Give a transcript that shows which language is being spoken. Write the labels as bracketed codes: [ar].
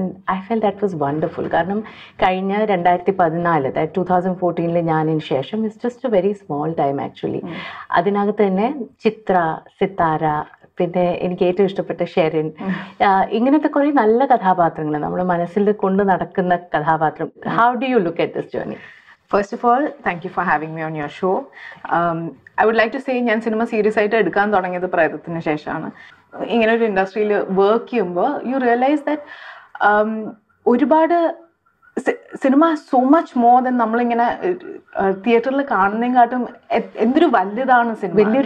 [en] And I felt that was wonderful. [ml] കാരണം കഴിഞ്ഞ 2014 2014 ഞാനതിന് ശേഷം [en] It's just a very small time actually. [ml] അതിനകത്ത് തന്നെ ചിത്ര, സിത്താര, പിന്നെ എനിക്ക് ഏറ്റവും ഇഷ്ടപ്പെട്ട ഷെറിൻ, ഇങ്ങനത്തെ കുറേ നല്ല കഥാപാത്രങ്ങൾ, നമ്മുടെ മനസ്സിൽ കൊണ്ട് നടക്കുന്ന കഥാപാത്രം. [en] How do you look at this journey? First of all, thank you for having me on your show. I would like to say [ml] ഞാൻ സിനിമ സീരീസ് ആയിട്ട് എടുക്കാൻ തുടങ്ങിയത് പ്രയത്നത്തിന് ശേഷമാണ്. ഇങ്ങനെ ഒരു ഇൻഡസ്ട്രിയിൽ വർക്ക് ചെയ്യുമ്പോൾ [en] you realise that [ml] ഒരുപാട് cinema [en] so much more than [ml] നമ്മളിങ്ങനെ തിയേറ്ററിൽ കാണുന്നതിനെ കാട്ടും എന്തൊരു വലുതാണ് സിനിമ.